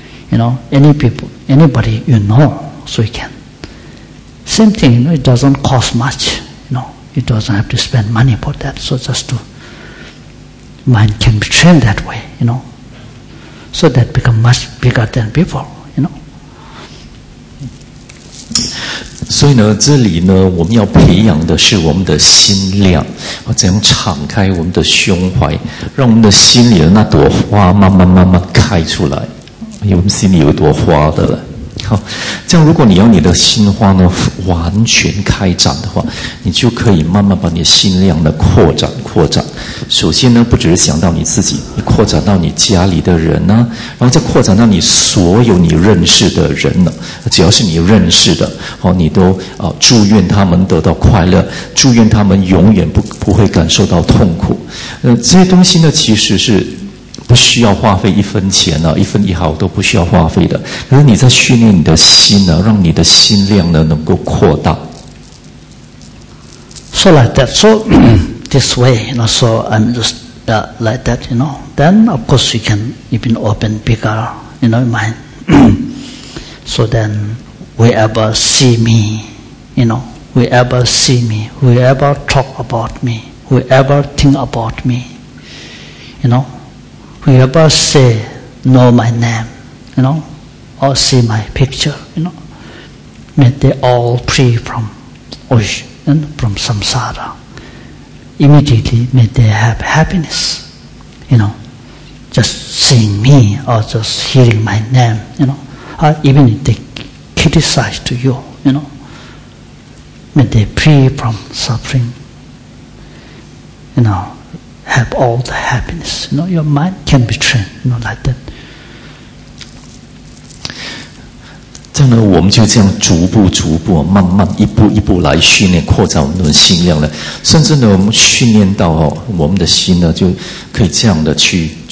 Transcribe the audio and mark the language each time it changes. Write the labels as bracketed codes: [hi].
[en] You know, any people, anybody you know, so you can. Same thing, you know, it doesn't cost much, you know, you don't have to spend money for that, so just to. Mind can be trained that way, you know. So that become much bigger than before, you know. [zh] 所以呢，这里呢，我们要培养的是我们的心量，怎样敞开我们的胸怀，让我们的心里的那朵花慢慢慢慢开出来。我们心里有一朵花的了。好，这样如果你要你的心花呢完全开展的话，你就可以慢慢把你的心量呢扩展。首先呢，不只是想到你自己，你扩展到你家里的人呢、啊，然后再扩展到你所有你认识的人呢、啊，只要是你认识的，哦，你都祝愿他们得到快乐，祝愿他们永远不会感受到痛苦。这些东西呢，其实是。不需要花费一分钱呢、啊，一分一毫都不需要花费的。可是你在训练你的心呢、啊，让你的心量呢能够扩大。 [en] So like that, so this way, you know, so I'm just like that, you know, then of course you can even open bigger, you know, mind. So then, whoever see me, you know, whoever see me, whoever talk about me, whoever think about me, you know, whoever say, know my name, you know, or see my picture, you know, may they all free from ocean and from samsara. Immediately may they have happiness, you know, just seeing me or just hearing my name, you know, or even if they criticize to you, you know, may they free from suffering, you know, have all the happiness, you know, your mind can be trained, you know, like that. [zh] 这样呢，我们就这样逐步逐步慢慢一步一步来训练扩展我们的心量呢，甚至呢我们训练到、哦、我们的心呢就可以这样的去